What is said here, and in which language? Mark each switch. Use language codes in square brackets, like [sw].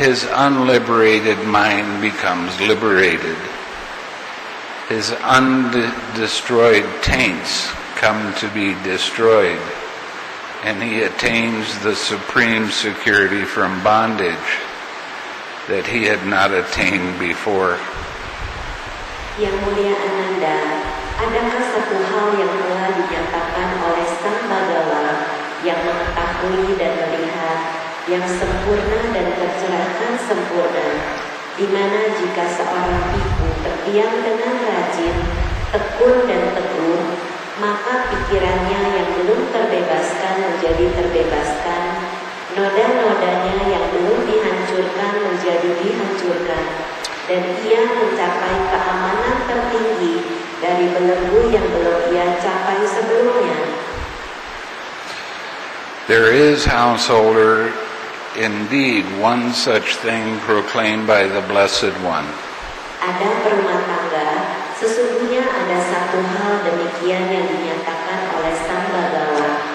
[en] unliberated mind becomes liberated, his undestroyed taints come to be destroyed, and he attains the supreme security from bondage that he had not attained before?" [id] Yang mulia Ananda, adakah satu hal yang telah dinyatakan oleh Sang Bhagava yang mengetahui dan melihat yang sempurna dan tercerahkan sempurna, di mana jika seorang biku terdiam dengan rajin, tekun dan teguh, maka pikirannya yang belum terbebaskan menjadi terbebaskan, noda-nodanya yang belum dihancurkan menjadi dihancurkan, dan ia mencapai keamanan tertinggi dari belenggu yang belum ia capai sebelumnya. [en] "There is, householder, indeed one such thing proclaimed by the Blessed One." [id] Ada permata tangga, sesungguhnya ada satu hal demikian yang dinyatakan oleh Sang Bhagava.